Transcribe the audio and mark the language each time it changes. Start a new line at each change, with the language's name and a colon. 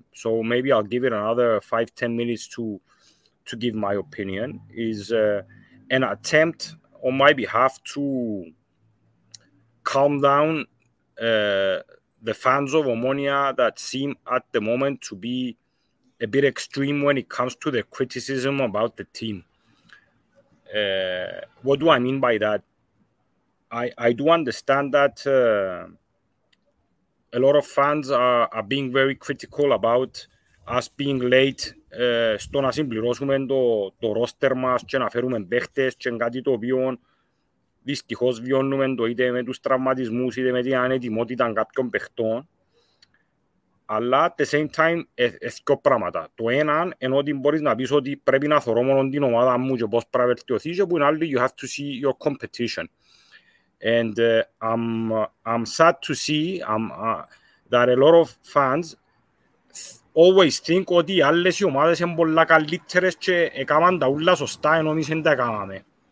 English: So maybe I'll give it another 5-10 minutes to give my opinion, is an attempt on my behalf to calm down the fans of Omonia that seem at the moment to be a bit extreme when it comes to the criticism about the team. What do I mean by that? I do understand that a lot of fans are being very critical about us being late
Greek: στο να συμπληρώσουμε το ρόστερ μας και να φέρουμε παίχτες και κάτι το οποίο δυστυχώς βιώνουμε το είτε με τους τραυματισμούς είτε με την ανετοιμότητα κάποιων παιχτών. Αλλά
English: at the same time,
Greek: δύο πράγματα. Το ένα, ενώ μπορείς να πεις ότι πρέπει να θωρώ μόνο την ομάδα μου και πώς πρέπει να βελτιωθεί, και που είναι άλλο,
English: you have to see your competition. And I'm sad to see that a lot of fans always think
Greek: ότι άλλες οι ομάδες είναι πολλά καλύτερες και έκαναν τα ούλα σωστά ενώ εμείς δεν τα έκαναμε.